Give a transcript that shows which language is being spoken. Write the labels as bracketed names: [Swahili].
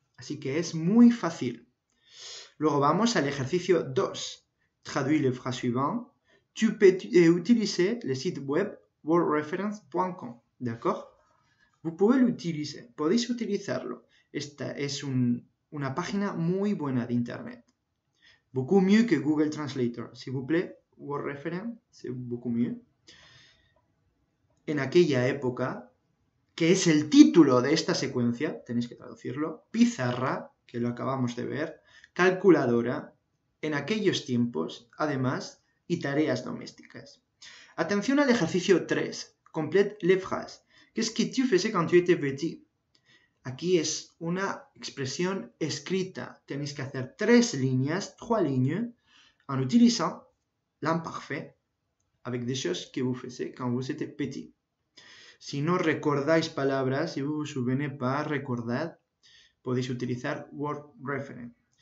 [Spanish] Así que es muy fácil. Luego vamos al ejercicio 2. [French] Traduis le phrase suivant. Tu peux utiliser le site web worldreference.com. D'accord? Vous pouvez l'utiliser. [Spanish] Podéis utilizarlo. Esta es una página muy buena de internet. [French] Beaucoup mieux que Google Translator. S'il vous plaît, World Reference, c'est beaucoup mieux. [Spanish] En aquella época, que es el título de esta secuencia, tenéis que traducirlo, pizarra, que lo acabamos de ver, calculadora, en aquellos tiempos, además, y tareas domésticas. Atención al ejercicio 3, [French] complete les phrases. ¿Qué es que tu faisais quand tu étais petit? [Spanish] Aquí es una expresión escrita. Tenéis que hacer tres líneas, [French] trois lignes, en utilizant l'imparfait, avec des choses que vous faisiez quand vous étiez petit. [Spanish] Si no recordáis palabras, [French] si vous vous souvenez pas, [Spanish] recordad, podéis utilizar Word Reference.